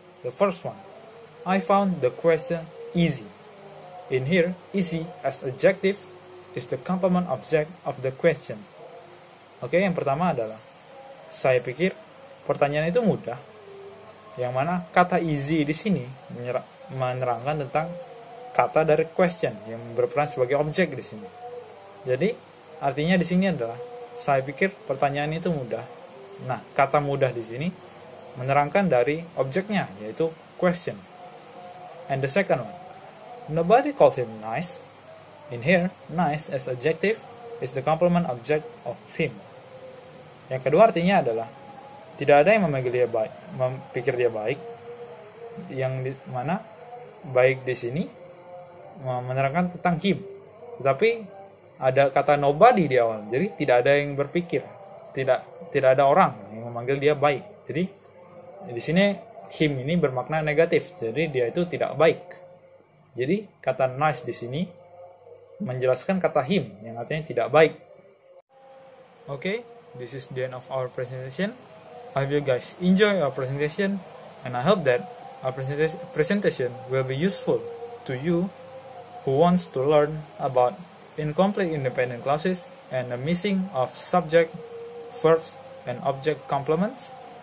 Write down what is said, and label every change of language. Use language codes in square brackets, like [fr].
[en] The first one, I found the question easy. In here, easy as adjective is the complement object of the question. [id] Okay, yang pertama adalah saya pikir pertanyaan itu mudah. Yang mana kata easy di sini menerangkan tentang kata dari question yang berperan sebagai objek di sini. Jadi artinya di sini adalah saya pikir pertanyaan itu mudah. Nah, kata mudah di sini menerangkan dari objeknya, yaitu question. [en] And the second one, nobody calls him nice. In here, nice as adjective is the complement object of him. [id] Yang kedua artinya adalah tidak ada yang memanggil dia baik, pikir dia baik. Yang di mana baik di sini menerangkan tentang him. Tetapi ada kata nobody di awal, jadi tidak ada yang berpikir, tidak ada orang yang memanggil dia baik. Jadi di sini him ini bermakna negatif, jadi dia itu tidak baik. Jadi kata nice di sini menjelaskan kata him yang artinya tidak baik. [en] Okay, this is the end of our presentation. I hope you guys enjoy our presentation, and I hope that our presentation will be useful to you who wants to learn about incomplete independent clauses and the missing of subject, verbs, and object complements.